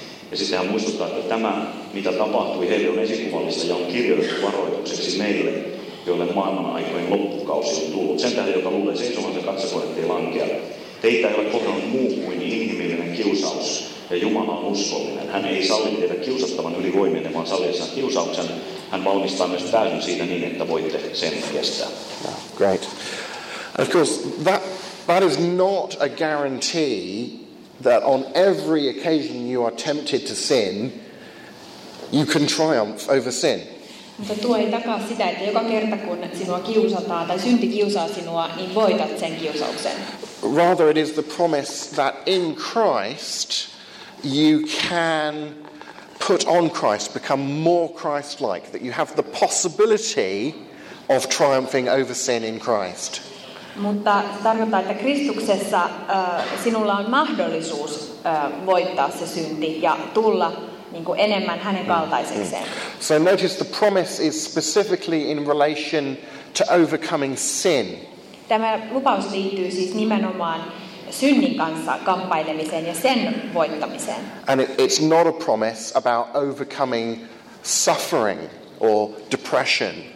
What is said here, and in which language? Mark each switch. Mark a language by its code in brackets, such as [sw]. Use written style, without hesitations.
[fi] Ja sitten hän muistuttaa, että tämä, mitä tapahtui, heille on esikuvallista ja on kirjoitettu varoitukseksi meille, joille maailman aikojen loppukausi on tullut. Sen tähden, joka luulee seisomansa katsokoon, ettei lankea. Teitä ei ole kohdannut muu kuin inhimillinen kiusaus. Ja Jumala on uskollinen. Hän ei salli teitä kiusattavan yli voimien, vaan salliessaan kiusauksen. Hän valmistaa myös täysin siitä niin, että voitte sen kestää. [en] Great. Of course, that is not a guarantee that on every occasion you are tempted to sin, you can triumph over sin. [fi] Mutta tuo ei takaa sitä, että joka kerta kun sinua kiusataan tai synti kiusaa sinua, niin voitat sen kiusauksen. [en] Rather, it is the promise that in Christ you can put on Christ, become more Christ-like, that you have the possibility of triumphing over sin in Christ. [fi] Mutta tarkoittaa, että Kristuksessa sinulla on mahdollisuus voittaa se synti ja tulla niin kuin enemmän hänen kaltaisekseen. [en] So notice the promise is specifically in relation to overcoming sin. [fi] Tämä lupaus liittyy siis nimenomaan synnin kanssa kamppailemiseen ja sen voittamiseen. [en] And it's not a promise about overcoming suffering or depression.